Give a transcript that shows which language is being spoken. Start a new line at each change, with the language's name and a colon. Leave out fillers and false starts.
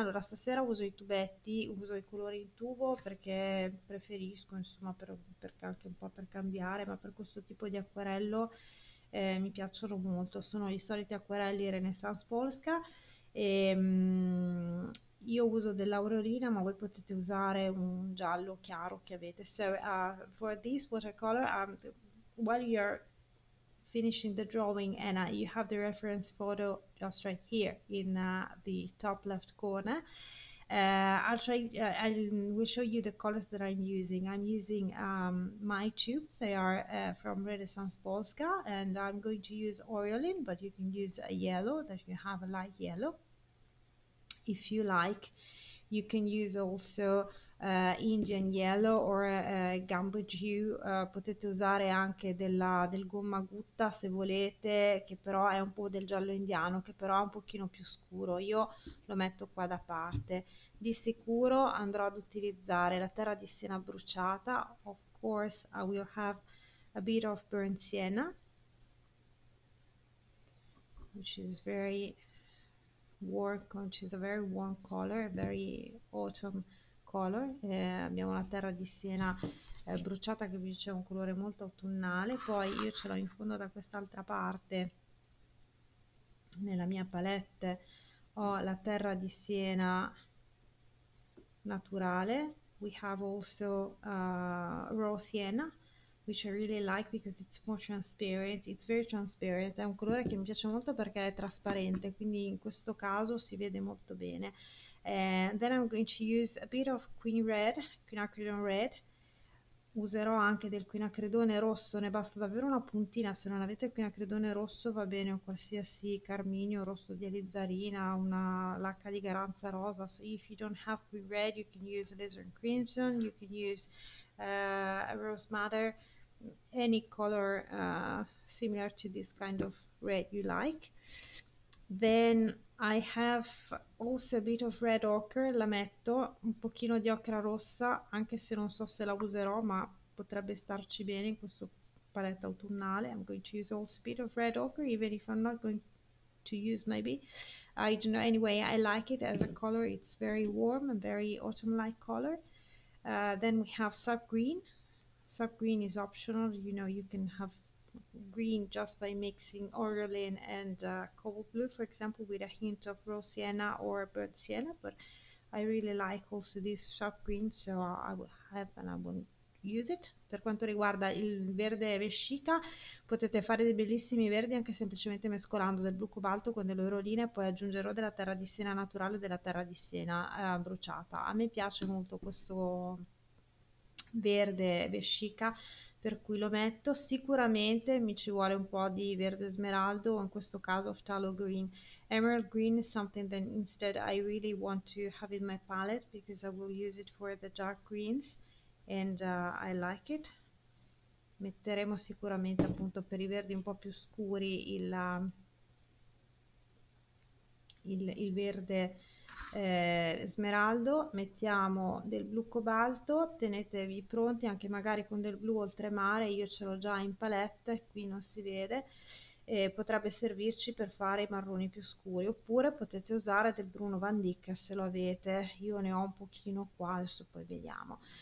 Italian: Allora, stasera uso i tubetti, uso i colori in tubo perché preferisco, insomma, anche un po' per cambiare, ma per questo tipo di acquerello mi piacciono molto. Sono i soliti acquerelli Renaissance Polska. Io uso dell'aureolina, ma voi potete usare un giallo chiaro che avete.
English: So, for this watercolor, while you're finishing the drawing, and you have the reference photo just right here in the top left corner. I will show you the colors that I'm using. I'm using my tubes. They are from Renaissance Polska, and I'm going to use aureoline, but you can use a yellow that you have, a light yellow. If you like, you can use also
Italian: Indian Yellow o Gumbo Jew, potete usare anche del gomma gutta se volete, che però è un po' del giallo indiano, che però è un pochino più scuro. Io lo metto qua da parte. Di sicuro andrò ad utilizzare la terra di siena bruciata.
English: Of course, I will have a bit of burnt sienna, which is very warm, which is a very warm color, very autumn color.
Italian: Abbiamo la terra di siena bruciata che dice un colore molto autunnale. Poi io ce l'ho in fondo da quest'altra parte nella mia palette. Ho la terra di siena naturale.
English: We have also raw sienna, which I really like because it's more transparent. It's very transparent.
Italian: È un colore che mi piace molto perché è trasparente, quindi in questo caso si vede molto bene.
English: And then I'm going to use a bit of quinacridone red.
Italian: Userò anche del quinacridone rosso, ne basta davvero una puntina. Se non avete quinacridone rosso va bene, o qualsiasi carminio rosso di alizarina, una lacca di garanza rosa.
English: So if you don't have quin red, you can use alizarin crimson, you can use a rose madder, any color similar to this kind of red you like. Then I have also a bit of red ochre,
Italian: la metto, un pochino di ocra rossa, anche se non so se la userò, ma potrebbe starci bene in questa palette autunnale.
English: I'm going to use also a bit of red ochre, even if I'm not going to use maybe. I don't know, anyway, I like it as a color, it's very warm, a very autumn-like color. Then we have sap green. Sap green is optional, you know, you can have green just by mixing aureoline and cobalt blue, for example, with a hint of rose sienna or burnt sienna. But I really like also this sharp green, so I will have and I will use it.
Italian: Per quanto riguarda il verde vescica, potete fare dei bellissimi verdi anche semplicemente mescolando del blu cobalto con dell'aureolina, e poi aggiungerò della terra di siena naturale, della terra di siena bruciata. A me piace molto questo verde vescica, per cui lo metto. Sicuramente mi ci vuole un po' di verde smeraldo, o in questo caso phthalo green.
English: Emerald green is something that instead I really want to have in my palette because I will use it for the dark greens and I like it.
Italian: Metteremo sicuramente, appunto, per i verdi un po' più scuri, il verde smeraldo. Mettiamo del blu cobalto, tenetevi pronti anche magari con del blu oltremare, io ce l'ho già in palette, qui non si vede, potrebbe servirci per fare i marroni più scuri, oppure potete usare del Bruno Van Dyck se lo avete, io ne ho un pochino qua, adesso poi vediamo.